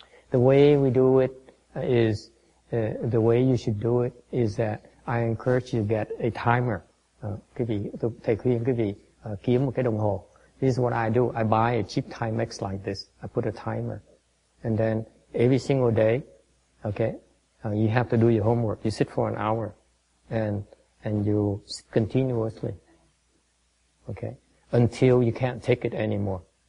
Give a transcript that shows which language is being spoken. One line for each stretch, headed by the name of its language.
English: The way we do it is, the way you should do it is that I encourage you to get a timer.
Vietnamese: Quý vị, thầy khuyên quý vị kiếm một cái đồng hồ.
English: This is what I do. I buy a cheap Timex like this. I put a timer. And then every single day, okay, you have to do your homework. You sit for an hour and you continuously, okay, until you can't take it anymore.